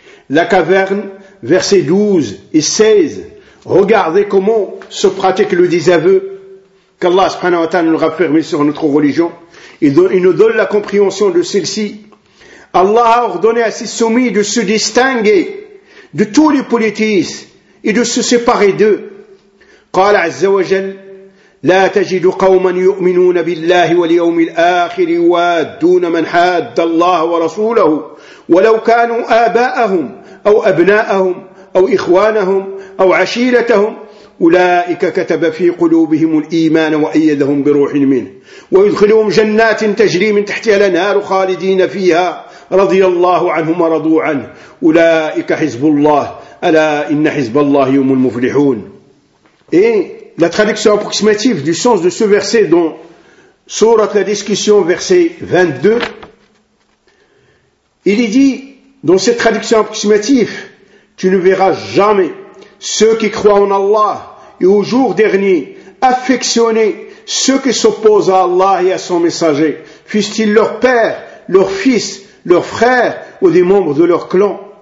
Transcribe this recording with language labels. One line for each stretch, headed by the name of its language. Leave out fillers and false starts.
French: La caverne, versets 12 et 16. Regardez comment se pratique le désaveu. Qu'Allah subhanahu wa ta'ala nous raffermit sur notre religion. Il nous donne la compréhension de celle-ci. Allah a ordonné à ses soumis de se distinguer de tous les polythéistes et de se séparer d'eux.
Arabic: قال عز وجل لا تجد قوما يؤمنون بالله واليوم الآخر يوادون من حاد الله ورسوله ولو كانوا آباءهم أو أبناءهم أو إخوانهم أو عشيرتهم أولئك كتب في قلوبهم الإيمان وأيدهم بروح منه ويدخلهم جنات تجري من تحتها الأنهار خالدين فيها رضي الله عنهم ورضوا عنه أولئك حزب الله ألا إن حزب الله هم المفلحون.
French: Et la traduction approximative du sens de ce verset dans Sourate la discussion, verset 22, il est dit dans cette traduction approximative: tu ne verras jamais ceux qui croient en Allah et au jour dernier affectionner ceux qui s'opposent à Allah et à son messager, fussent-ils leur père, leur fils, leur frère ou des membres de leur clan.